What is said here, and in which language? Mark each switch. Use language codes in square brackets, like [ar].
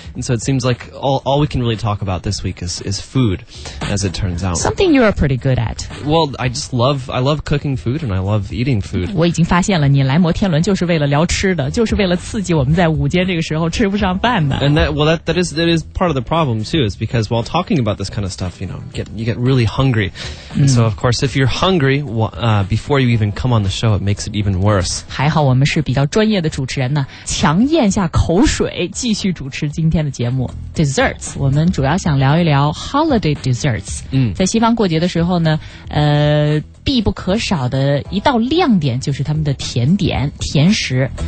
[en] And so it seems like all we can really talk about this week is food, as it turns out. Something you are pretty good at. Well, I love cooking food and I love eating food. [zh] 我已经发现了，你来摩天轮就是为了聊吃的，就是为了刺激我们在午间这个时候吃不上饭的。 [en] And that is part of the problem too, is because while talking about this kind of stuff, you know, you get really hungry. So of course, if you're hungry, before you even come on the show, it makes it even worse. [zh] 还好我们是比较专业的主持人呢，强咽下口水，继续主持今天的节目。 Desserts, 我们主要想聊一聊 [en] holiday desserts. [zh] 在西方过节的时候呢，必不可少的一道亮点就是他们的甜点甜食。